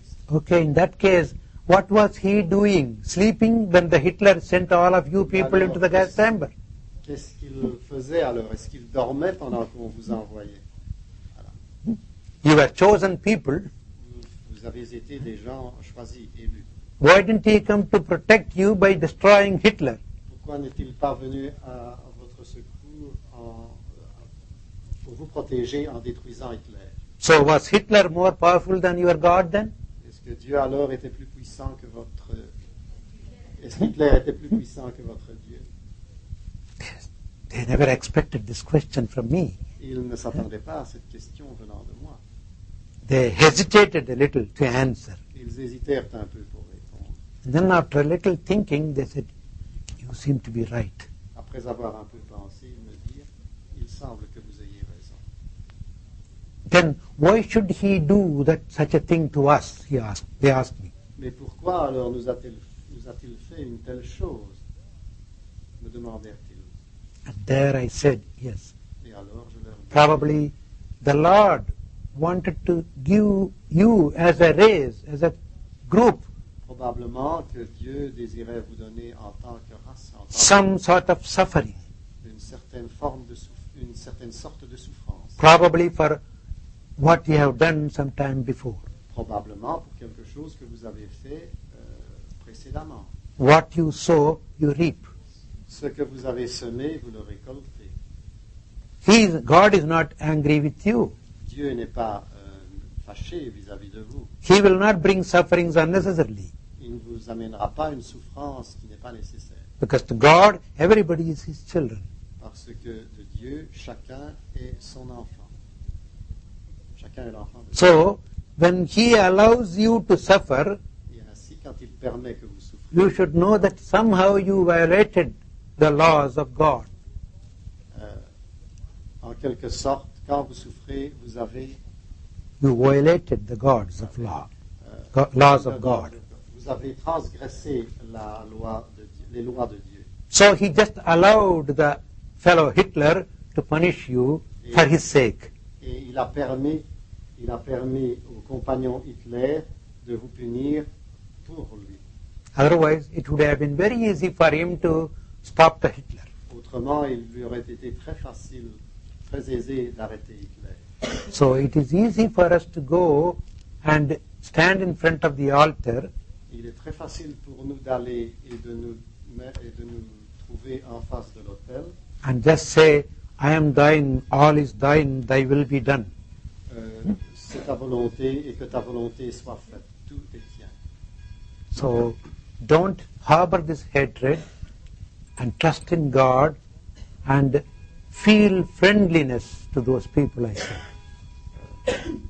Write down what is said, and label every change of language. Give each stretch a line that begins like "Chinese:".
English: Okay, in that case, what was he doing? Sleeping when the Hitler sent all of you people
French: alors,
English: into the gas chamber?
French: Qu'est-ce qu'il faisait alors? Est-ce qu'il dormait pendant qu'on vous envoyait?
English: You were chosen people.
French: Vous avez été des gens choisis, élus.
English: Why didn't he come to protect you by destroying Hitler?
French: Pourquoi n'est-il pas venu à votre secours pour vous protéger en détruisant Hitler?
English: So was Hitler more powerful than your God then?
French: Que Dieu alors était plus puissant que votre. Est-ce qu'Hitler était plus puissant que votre Dieu?
English: They never expected this question from me.
French: Ils ne s'attendaient pas à cette question venant de moi.
English: They hesitated a little to answer.
French: Ils hésitèrent un peu pour répondre.
English: And then after a little thinking, they said, "You seem to be right."
French: Après avoir un peu pensé, ils me dirent, "Il semble que vous ayez raison."
English: Then why should he do that such a thing to us? They asked me.
French: Mais pourquoi alors nous a-t-il fait une telle chose? Me demandèrent-ils.
English: And there I said, yes.
French: Et alors je leur dis,
English: probably the Lord wanted to give you as a race, as a group,
French: probablement que Dieu désirait vous donner en tant que race, en tant
English: some que, sort of suffering.
French: Une certaine forme de une certaine sorte de souffrance.
English: Probably for what you have done some time before.
French: Probablement pour quelque chose que vous avez fait précédemment.
English: What you sow, you reap.
French: Ce que vous avez semé, vous le récoltez.
English: God is not angry with you.
French: Dieu n'est pas fâché vis-à-vis de vous.
English: He will not bring sufferings unnecessarily.
French: Il ne vous amènera pas une souffrance qui n'est pas nécessaire.
English: Because to God, everybody is his children.
French: Parce que de Dieu, chacun est son enfant. Chacun est l'enfant de Dieu.
English: So, when he allows you to suffer,
French: ainsi, quand il permet que vous souffrez,
English: you should know that somehow you violated the laws of God.
French: En quelque sorte, quand vous souffrez, vous avez
English: you violated the gods of law, laws of God.
French: Vous avez transgressé la loi de Dieu, les lois de Dieu.
English: So he just allowed the fellow Hitler to punish you for his sake.
French: Et il a permis au compagnon Hitler de vous punir pour lui.
English: Otherwise, it would have been very easy for him to stop the Hitler.
French: Autrement, il lui aurait été très facile, très aisé d'arrêter Hitler.
English: So it is easy for us to go and stand in front of the altar.
French: Il est très facile pour nous d'aller et de nous trouver en face de l'autel.
English: And just say, I am thine, all is thine, thy will be done.
French: C'est ta volonté et que ta volonté soit faite. Tout est tien.
English: So, don't harbor this hatred and trust in God and feel friendliness to those people, I say.